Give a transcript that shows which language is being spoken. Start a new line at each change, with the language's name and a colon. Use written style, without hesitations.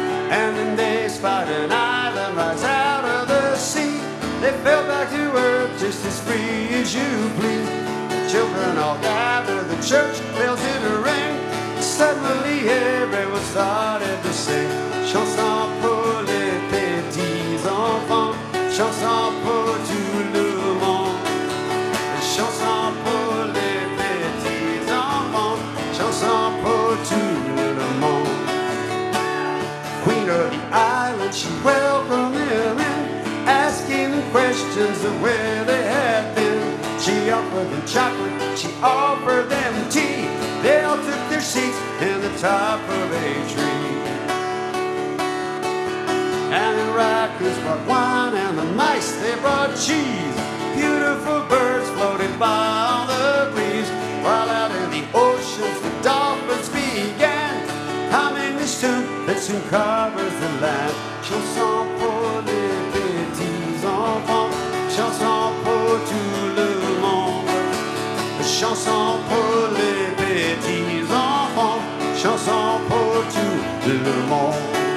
English: And then they spied an island rise out of the sea. They fell back to Earth just as free as you please. The children all gathered, the church bells in a ring. Suddenly everyone started to sing.
French: Chanson pour les petits enfants. Chanson pour tout le monde. Chanson pour les petits enfants. Chanson pour tout le monde.
English: Queen of the island, she welcomed them in, asking them questions of where they had been. She offered them chocolate, she offered them tea. They all took their seats in the top of a tree. And the raccoons brought wine, and the mice, they brought cheese. Beautiful birds floated by on the breeze. While out in the oceans, the dolphins began humming this tune that soon covers the land.
French: Chanson pour les petits enfants. Chanson pour tout le monde. Chanson pour les petits enfants. Chanson pour tout le monde.